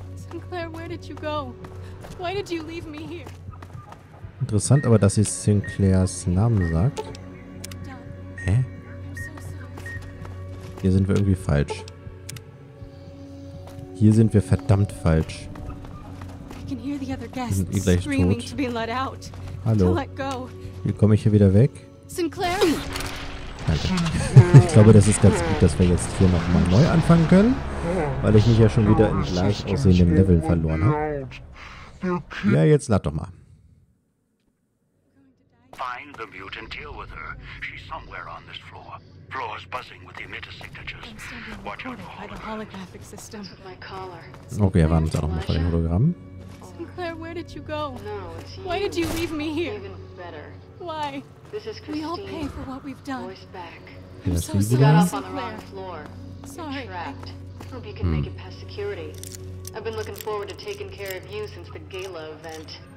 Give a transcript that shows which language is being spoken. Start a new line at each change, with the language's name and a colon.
English: Sinclair, where did you go? Why did you leave me here?
German: Interessant aber, dass sie Sinclairs Namen sagt. Hä? Hier sind wir irgendwie falsch. Hier sind wir verdammt falsch. Wir sind eh gleich tot. Hallo. Wie komme ich hier wieder weg? Sinclair? Alter. Ich glaube, das ist ganz gut, dass wir jetzt hier nochmal neu anfangen können, weil ich mich ja schon wieder in gleich aussehenden Leveln verloren habe. Ja, jetzt lad doch mal.
English: Find the mutant, deal with her. She's somewhere on this floor. Floor is buzzing with the emitter signatures. Watch out for the holographic system.
German: Okay, warten wir noch mal vor dem Hologramm.
English: Sinclair, where did you go? No, it's you. Why did you leave me here? Even better. Why? This is Christine. We all pay for what we've done. Voice back. I'm so sorry. You got off on the wrong floor. Sorry. Trapped. Hope you can make it past security. I've been looking forward to taking care of you since the gala event.